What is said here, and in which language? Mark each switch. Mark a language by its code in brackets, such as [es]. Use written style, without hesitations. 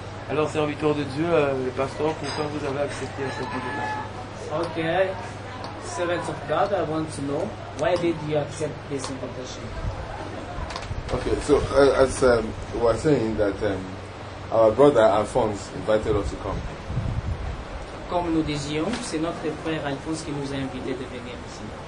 [fr] Alors, serviteur de Dieu, le pasteur, pourquoi vous avez accepté cette invitation? [en] Ok, servant of God, I want to know why did you accept this invitation? Ok, so as we're saying that. Our brother Alphonse invited us to come. [fr] Comme nous disions, c'est notre frère Alphonse qui nous a invités de venir ici.